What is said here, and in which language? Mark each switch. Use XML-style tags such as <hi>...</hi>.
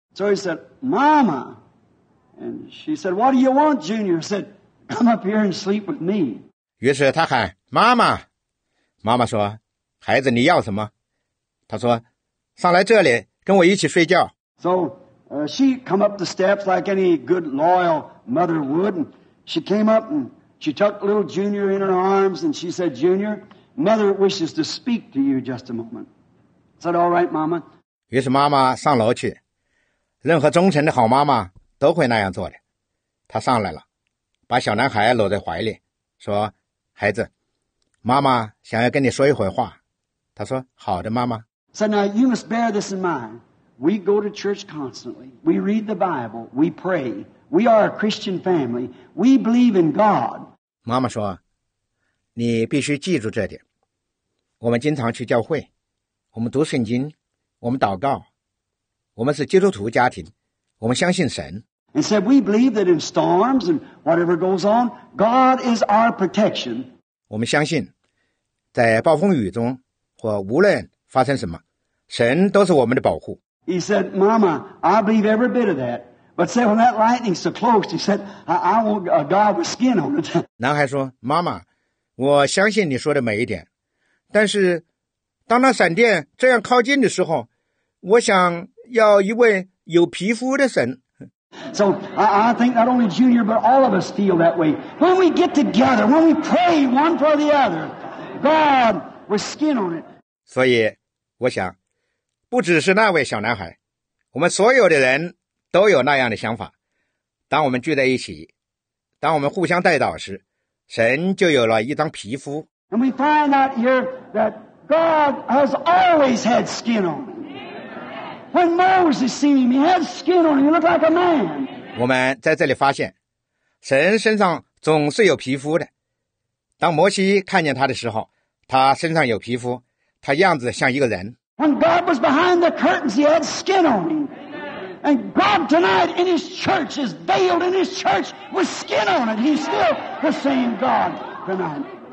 <en>So he said, Mama. And she said, what do you want, Junior? He said, come up here and sleep with me.</en> <zh>于是他喊妈妈。妈妈说，孩子你要什么？他说，上来这里跟我一起睡觉。</zh> <en>So she come up the steps like any good loyal mother would. And she came up and she tucked little Junior in her arms and she said, Junior, mother wishes to speak to you just a moment. I said, all right, Mama.</en> <zh>于是妈妈上楼去。任何忠诚的好妈妈都会那样做的。她上来了，把小男孩搂在怀里，说：“孩子，妈妈想要跟你说一会儿话。” 她说：“好的，妈妈。”</zh> <en>So now you must bear this in mind. We go to church constantly. We read the Bible. We pray. We are a Christian family. We believe in God.</en> <zh>妈妈说：“你必须记住这点。我们经常去教会，我们读圣经，我们祷告。” 我们是基督徒家庭，我们相信神。</zh> <en>And said, we believe that in storms and whatever goes on, God is our protection.</en> <zh>我们相信，在暴风雨中，或无论发生什么，神都是我们的保护。</zh> <en>He said, Mama, I believe every bit of that. But said, when that lightning's so close, he said, I want a God with skin on it.</en> <zh>男孩说，妈妈，我相信你说的每一点，但是，当那闪电这样靠近的时候，我想要一位有皮肤的神。</zh> <en>So I think not only Junior, but all of us feel that way. When we get together, when we pray one for the other, God with skin on it.</en> <zh>所以我想不只是那位小男孩，我们所有的人都有那样的想法。当我们聚在一起，当我们互相带导时，神就有了一张皮肤。</zh> <en>And we find out here that God has always had skin on him. When Moses seen him, he had skin on him. He looked like a man.</en> <zh>我们在这里发现，神身上总是有皮肤的。当摩西看见他的时候，他身上有皮肤，他样子像一个人。</zh> <en>When God was behind the curtains, he had skin on him. And God tonight in his church is veiled in his church with skin on it. He's still the same God tonight.</en>